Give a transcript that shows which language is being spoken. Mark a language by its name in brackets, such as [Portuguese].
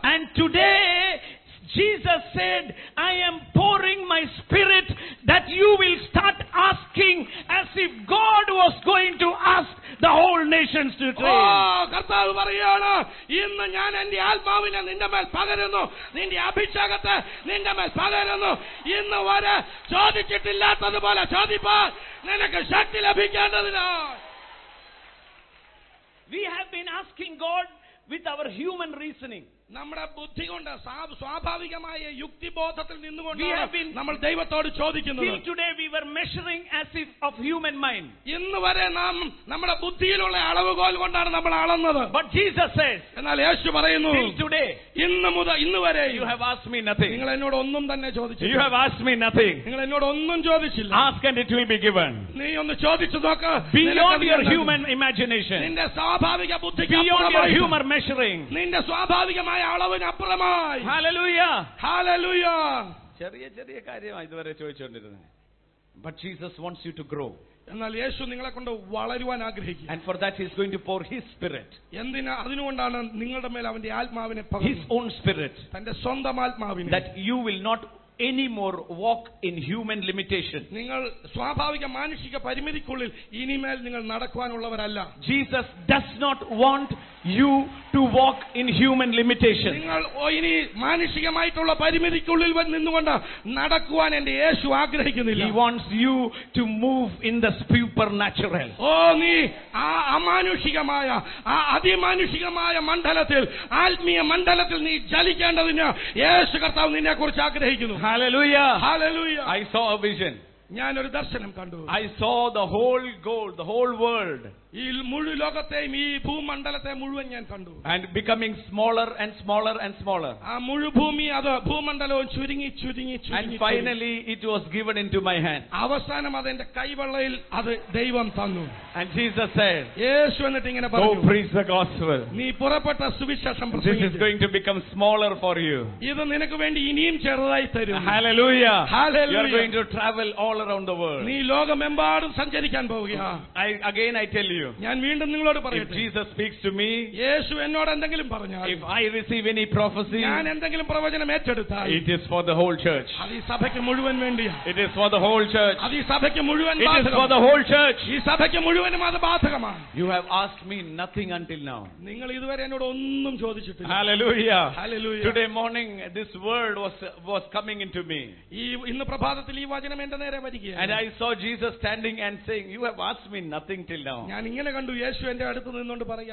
[English] And today Jesus said, I am pouring my spirit that you will start asking as if God was going to ask the whole nations to train. [Malayalam] കർത്താവ് പറയുകയാണ്, ഇന്ന് ഞാൻ എന്റെ ആത്മാവിനെ നിന്റെ മേൽ പകരുന്നു, നിന്റെ അഭിഷേകത്തെ നിന്റെ മേൽ പകരുന്നു. ഇന്ന് വരെ ചോദിച്ചിട്ടില്ലാത്തതുപോലെ ചോദിപ്പാൻ നിനക്ക് ശക്തി ലഭിക്കേണ്ടതിനാ. [English] We have been asking God with our human reasoning. [Malayalam] നമ്മുടെ ബുദ്ധി കൊണ്ട് സ്വാഭാവികമായ യുക്തിബോധത്തിൽ നിന്നുകൊണ്ടാണ് നമ്മൾ ദൈവത്തോട് ചോദിക്കുന്നത്. [English] Till today we were measuring as if of human mind. [Malayalam] ഇന്നുവരെ നാം നമ്മുടെ ബുദ്ധിയിലുള്ള അളവുകോൽ കൊണ്ടാണ് നമ്മൾ അളന്നത്. [English] But Jesus says, [Malayalam] എന്നാൽ യേശു പറയുന്നു, [English] till today, [Malayalam] ഇന്നു മുതൽ ഇന്നുവരെ, [English] you have asked me nothing. [Malayalam] നിങ്ങൾ എന്നോട് ഒന്നും തന്നെ ചോദിച്ചില്ല. [English] You have asked me nothing. [Malayalam] നിങ്ങൾ എന്നോട് ഒന്നും ചോദിച്ചില്ല. [English] Ask and it will be given. [Malayalam] നീ ഒന്ന് ചോദിച്ചു നോക്ക്. [English] Beyond your human imagination. [Malayalam] നിന്റെ സ്വാഭാവിക ബുദ്ധിക്ക് അപ്പുറം. [English] Beyond your human measuring. [Malayalam] നിന്റെ സ്വാഭാവിക അളവിനപ്പുറമായി. ഹല്ലേലൂയാ, ഹല്ലേലൂയാ. ചെറിയ ചെറിയ കാര്യമാണ് ഇതുവരെ ചോദിച്ചുകൊണ്ടിരുന്നത്. [English] But Jesus wants you to grow. [Malayalam] എന്നാൽ യേശു നിങ്ങളെ കൊണ്ട് വളരുവാൻ ആഗ്രഹിക്കുന്നു. [English] And for that he is going to pour his spirit. [Malayalam] എന്തിനാ? അതിനുകൊണ്ടാണ് നിങ്ങളുടെ മേൽ അവന്റെ ആത്മാവിനെ പകരുന്നത്. [English] His own spirit. [Malayalam] തന്റെ സ്വന്തം ആത്മാവിനെ. [English] That you will not anymore walk in human limitation. [Malayalam] നിങ്ങൾ സ്വാഭാവിക മാനുഷിക പരിമിതിക്കുള്ളിൽ ഇനിമേൽ നിങ്ങൾ നടക്കുവാനുള്ളവരല്ല. [English] Jesus does not want you to walk in human limitation. [Malayalam] നിങ്ങൾ ഇനി മാനുഷികമായിട്ടുള്ള പരിമിതിക്കുള്ളിൽ നിന്നുകൊണ്ട് നടക്കുവാൻ എന്റെ യേശു ആഗ്രഹിക്കുന്നില്ല. [English] He wants you to move in the supernatural. [Malayalam] ഓ നീ ആ അമാനുഷികമായ ആ അതിമാനുഷികമായ മണ്ഡലത്തിൽ ആത്മീയ മണ്ഡലത്തിൽ നീ ജലിക്കേണ്ടതിന് യേശു കർത്താവ് നിന്നെ കുറിച്ച് ആഗ്രഹിക്കുന്നു. [English] Hallelujah. Hallelujah. I saw a vision. [Malayalam] ഞാൻ ഒരു ദർശനം കണ്ടു. [English] I saw the whole gold, the whole world. [Malayalam] ഈ മുഴുവൻ ലോകത്തെയും ഈ ഭൂമണ്ഡലത്തെ മുഴുവൻ ഞാൻ കണ്ടു. [English] And becoming smaller and smaller and smaller. [Malayalam] ആ മുഴുഭൂമി അത് ഭൂമണ്ഡലവും ചുരുങ്ങി ചുരുങ്ങി ചുരുങ്ങി. [English] And finally it was given into my hand. [Malayalam] അവസാനം അത് എന്റെ കൈവള്ളയിൽ അത് ദൈവം തന്നു. [English] And Jesus said, [Malayalam] യേശു എന്നിട്ട് ഇങ്ങനെ പറഞ്ഞു, [English] Go preach the gospel. [Malayalam] നീ പുറപ്പെട്ട സുവിശേഷം പ്രസംഗിക്ക്. [English] This is going to become smaller for you. [Malayalam] ഇത് നിനക്ക് വേണ്ടി ഇനിയും ചെറുതായി തരും. [English] Hallelujah. Hallelujah. You are going to travel all around the world. [Malayalam] നീ ലോകമെമ്പാടും സഞ്ചരിക്കാൻ പോവുകയാണ്. [English] I tell you, [Malayalam] ഞാൻ വീണ്ടും നിങ്ങളോട് പറയട്ടെ, [English] Jesus speaks to me, [Malayalam] യേശു എന്നോട് എന്തെങ്കിലും പറഞ്ഞാൽ, [English] if I receive any prophecy, [Malayalam] ഞാൻ എന്തെങ്കിലും പ്രവചനം ഏറ്റെടുത്താൽ, [English] it is for the whole church. [Malayalam] അത് ഈ സഭയ്ക്ക് മുഴുവൻ വേണ്ടിയാണ്. [English] It is for the whole church. [Malayalam] അത് ഈ സഭയ്ക്ക് മുഴുവൻ ബാധകമാണ്. [English] It is for the whole church. [Malayalam] ഈ സഭയ്ക്ക് മുഴുവനും അത് ബാധകമാണ്. [English] You have asked me nothing until now. [Malayalam] നിങ്ങൾ ഇതുവരെ എന്നോട് ഒന്നും ചോദിച്ചിട്ടില്ല. [English] Hallelujah. Hallelujah. Today morning this word was coming into me. [Malayalam] ഈ ഇന്ന് പ്രഭാതത്തിൽ ഈ വചനം എന്റെ നേരെ വരികയാണ്. [English] And I saw Jesus standing and saying, you have asked me nothing till now. [Malayalam] ഞാൻ ഇങ്ങനെ കണ്ടു യേശു എന്റെ അടുത്ത് നിന്നുകൊണ്ട്